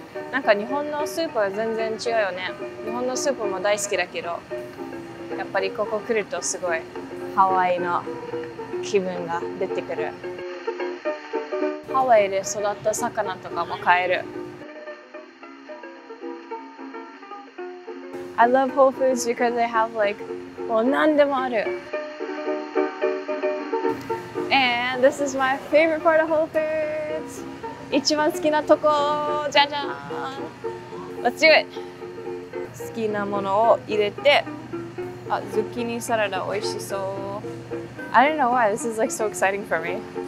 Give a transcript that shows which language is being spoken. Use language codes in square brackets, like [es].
[ja] なんか日本のスーパーは全然違うよね。日本のスーパーも大好きだけど、やっぱりここ来るとすごいハワイの気分が出てくる。ハワイで育った魚とかも買える。 [en] I love Whole Foods because they have like, well, [ja] 何でもある [en] And this is my favorite part of Whole Foods! [ja] 一番好きなとこ、じゃじゃん [en] Let's do it! [ja] 好きなものを入れて、あ、ズッキーニサラダ美味しそう [en] I don't know why, this is like so exciting for me.